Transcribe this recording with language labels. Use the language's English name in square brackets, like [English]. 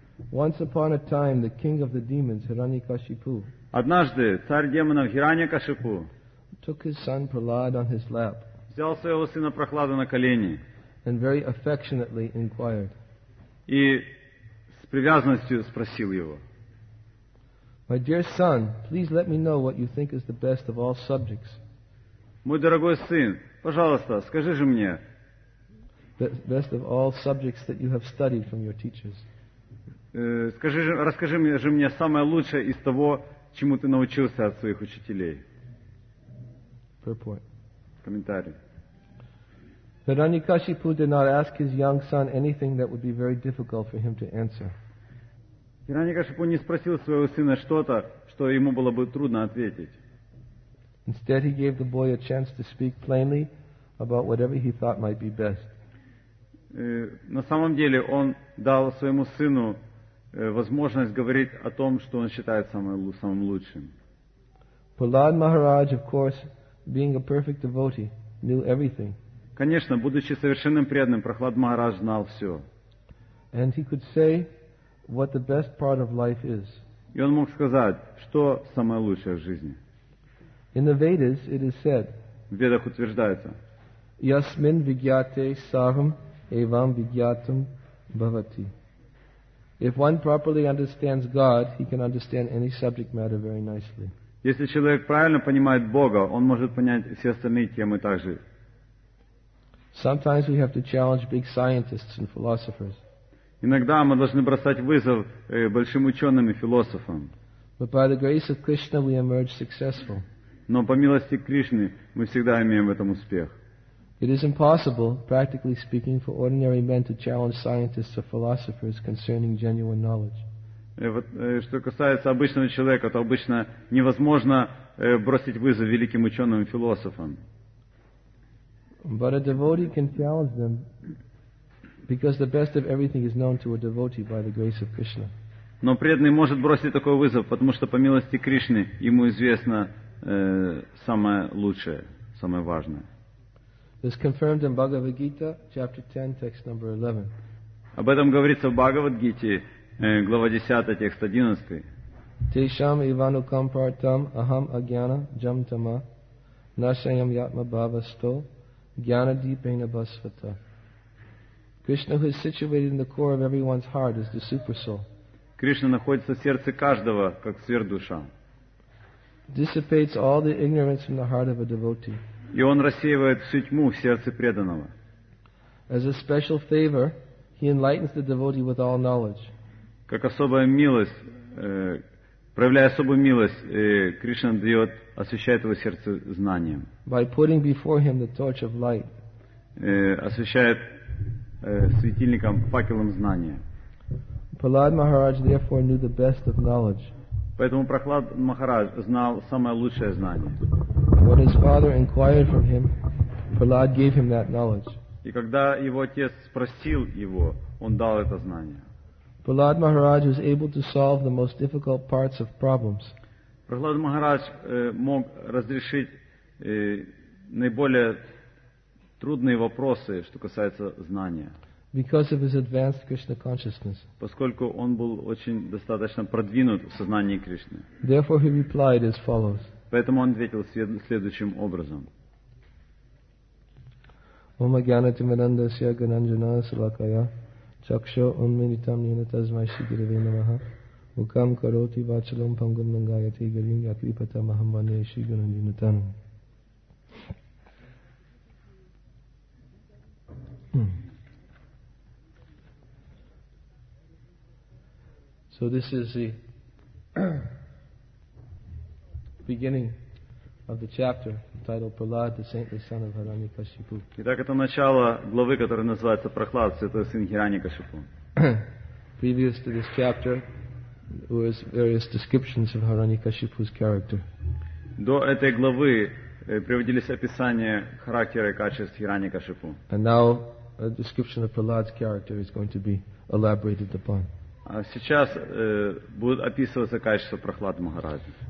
[English] Once upon a time, the king of the demons, Hiranyakashipu. [Russian] Однажды царь демонов Хираньякашипу. [English] Took his son Prahlad on his lap. [Russian] Взял своего сына Прохлада на колени. [English] And very affectionately inquired. [Russian] И с привязанностью спросил его. [English] My dear son, please let me know what you think is the best of all subjects. [Russian] Мой дорогой сын, пожалуйста, скажи же мне. [English] Best of all subjects that you have studied from your teachers. [Russian] Расскажи же мне самое лучшее из того, чему ты научился от своих учителей. [English] Purport. [Russian] Комментарий. [English] Hiranyakashipu did not ask his young son anything that would be very difficult for him to answer. [Russian] Hiranyakashipu не спросил своего сына что-то, что ему было бы трудно ответить. [English] Instead, he gave the boy a chance to speak plainly about whatever he thought might be best. [Russian] На самом деле, он дал своему сыну возможность говорить о том, что он считает самым лучшим. [English] Prahlad Maharaj, of course, being a perfect devotee, knew everything. [Russian] Конечно, будучи совершенным преданным, Прохлад Махарадж знал все. [English] And he could say what the best part of life is. [Russian] И он мог сказать, что самое лучшее в жизни. [English] In the Vedas it is said. [Russian] В Ведах утверждается. [Sanskrit] Ясмин вигьяте сарам эвам вигьятам бхавати. [English] If one properly understands God, he can understand any subject matter very nicely. [Russian] Если человек правильно понимает Бога, он может понять все остальные темы также. [English] Sometimes we have to challenge big scientists and philosophers. [Russian] Иногда мы должны бросать вызов большим ученым и философам. [English] But by the grace of Krishna, we emerge successful. [Russian] Но по милости Кришны мы всегда имеем в этом успех. [English] It is impossible, practically speaking, for ordinary men to challenge scientists or philosophers concerning genuine knowledge. [Russian] Что касается обычного человека, то обычно невозможно бросить вызов великим ученым и философам. [English] But a devotee can challenge them because the best of everything is known to a devotee by the grace of Krishna. [Russian] Но преданный может бросить такой вызов, потому что по милости Кришны ему известно самое лучшее, самое важное. [English] This confirmed in Bhagavad Gita, chapter 10, text number 11. [Russian] Об этом говорится в Бхагавад-гите, глава 10, текст 11. [Sanskrit] Тешам иванукам партам ахам агьяна джамтама нашаям ятма бхавасто Gyanadipena Basvata. [English] Krishna, who is situated in the core of everyone's heart, is the Supersoul. [Russian] Krishna находится в сердце каждого, как сверхдуша. [English] Dissipates all the ignorance from the heart of a devotee. [Russian] И он рассеивает всю тьму в сердце преданного. [English] As a special favor, he enlightens the devotee with all knowledge. [Russian] Как особая милость, проявляя особую милость, Кришна дает, освещает его сердце знанием. [English] By putting before him the torch of light. [Russian] Освещает светильником, факелом знания. [English] Prahlad Maharaj therefore knew the best of knowledge. [Russian] Поэтому Прохлад Махарадж знал самое лучшее знание. [English] When his father inquired from him, Prahlad gave him that knowledge. [Russian] И когда его отец спросил его, он дал это знание. [English] Prahlad Maharaj was able to solve the most difficult parts of problems. [Russian] Prahlad Maharaj мог разрешить наиболее трудные вопросы, что касается знания. [English] Because of his advanced Krishna consciousness. [Russian] Поскольку он был очень достаточно продвинут в сознании Кришны. [English] Therefore he replied as follows. [Russian] Поэтому он ответил следующим образом. [Sanskrit] Ом агьянати мадандасья гананджана салакая. Чакшо унминитам нинатазмай шигиреве намаха. Мукам кароти вачалам пангам нангаяти гарим якрипата махам ване шигуна нинатану. [English] So this is the beginning of the chapter titled Prahlad, the saintly son of Hiranyakashipu. [Russian] Итак, это начало главы, которая называется Прохлад, святой сын Хираньякашипу. [English] Previous to this chapter was various descriptions of Hiranyakashipu's character. [Russian] До этой главы приводились описания характера и качеств Хираньякашипу. [English] And now a description of Prahlad's character is going to be elaborated upon. [Russian] А сейчас будет описываться качество Прохлад Махараджа.